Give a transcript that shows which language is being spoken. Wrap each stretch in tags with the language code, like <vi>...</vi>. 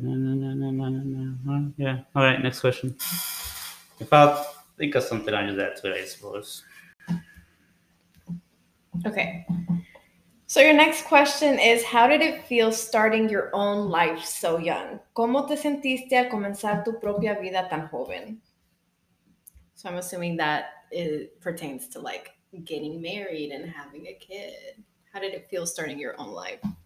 <en>No, no, no, no, no, no, no. Yeah. All right, next question. If I think of something, I'll do that too, I suppose. Okay. So your next question is, how did it feel starting your own life so young?</en> <es>¿Cómo te sentiste al comenzar tu propia vida tan joven?</es> <en>So I'm assuming that it pertains to like getting married and having a kid. How did it feel starting your own life?</en>